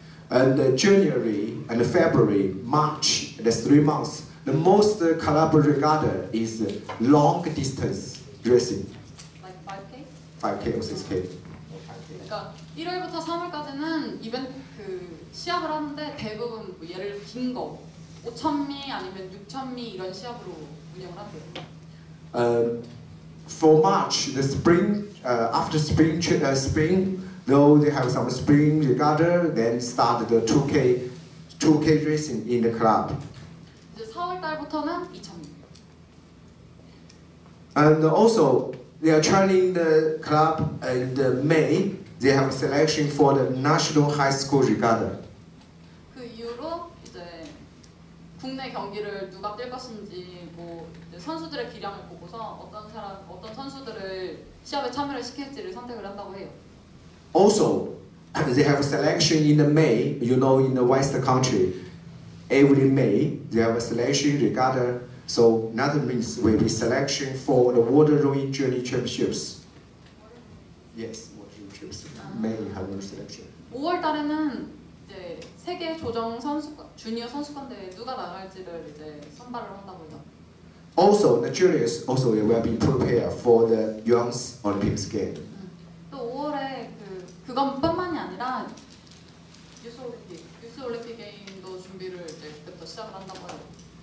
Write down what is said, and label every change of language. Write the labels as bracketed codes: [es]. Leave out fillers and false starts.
[en] And January and February, March, the 3 months, the most club regatta is long distance racing. Like 5K? 5K or 6K. [ko] 그러니까 1월부터 3월까지는 이벤트 그 시합을 하는데 대부분 뭐 예를 들어 긴 거, 5,000m 아니면 6,000m 이런 시합으로 운영을 하고요. [en] For March, the spring, after spring, spring, though they have some spring regatta, then start the 2K racing in the club. [ko] 이제 4월 달부터는 2,000m. [en] And also, they are training the club in the May. They have a selection for the national high school regatta. [ko] 그 이후로 이제 국내 경기를 누가 뛸 것인지 뭐 이제 선수들의 기량을 보고서 어떤 선수들을 시합에 참여를 시킬지를 선택을 한다고 해요. [en] Also, they have a selection in the May, you know, in the Western country. Every May, they have a selection regatta. So, another means will be selection for the World Rowing Journey Championships. Yes, World Rowing Championships. May have a selection. [ko] 5월 달에는 이제 세계 조정 선수 주니어 선수권대회 누가 나갈지를 이제 선발을 한다고요. [en] Also, the juniors also will be prepared for the Young's Olympics game. [ko] 또 5월에 그것뿐만이 아니라 유스 올림픽 게임도 준비를 이제 그때부터 시작을 한다고 해요.